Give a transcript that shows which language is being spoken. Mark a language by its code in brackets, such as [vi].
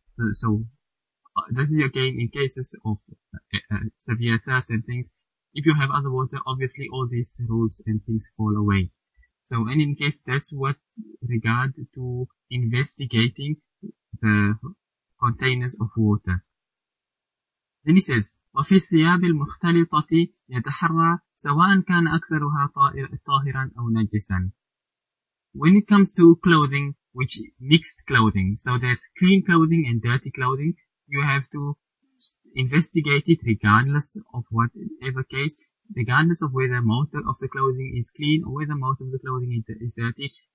[en] This is again in cases of severe thirst and things. If you have other water, obviously all these rules and things fall away. So, and in case that's what regard to investigating the containers of water. Then he says, [ar] وَفِي الثِّيَابِ الْمُخْتَلِطَةِ يَتَحَرَّى سَوَاءً كَانَ أَكْثَرُهَا طَاهِرًا أَوْ نَجِسًا. [en] When it comes to clothing, which mixed clothing, so there's clean clothing and dirty clothing, you have to investigate it regardless of whatever case, regardless of whether most of the clothing is clean or whether most of the clothing is dirty.